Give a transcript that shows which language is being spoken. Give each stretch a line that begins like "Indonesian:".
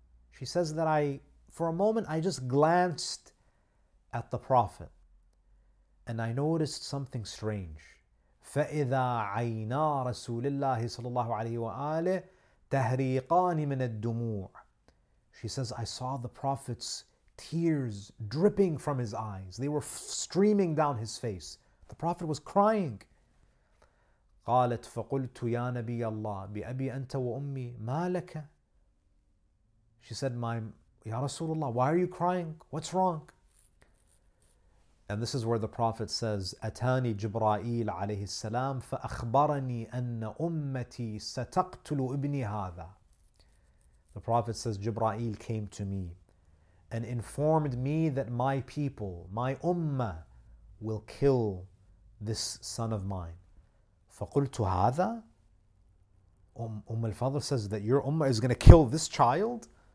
English: She says that for a moment, I just glanced at the Prophet and I noticed something strange.
Arabic: فَإِذَا عَيْنَا رَسُولِ اللَّهِ صَلَى اللَّهُ عَلَيْهِ وَآلِهِ تَهْرِيقَانِ مِنَ الدُّمُوعِ.
English: She says, I saw the Prophet's tears dripping from his eyes. They were streaming down his face. The Prophet was crying.
Arabic: قالت فقلت يا نبي الله بأبي أنت وأمي ما لك.
English: She said, يا رسول الله, why are you crying? What's wrong?
Arabic: And this is where the Prophet says, أتاني جبرائيل عليه السلام فأخبرني أن أمتي ستقتل ابني هذا.
English: The Prophet says, Jibra'il came to me and informed me that my people, my ummah, will kill this son of mine.
Arabic: فَقُلْتُ هَذَا.
English: Umm al-Fadl says that your ummah is going to kill this child.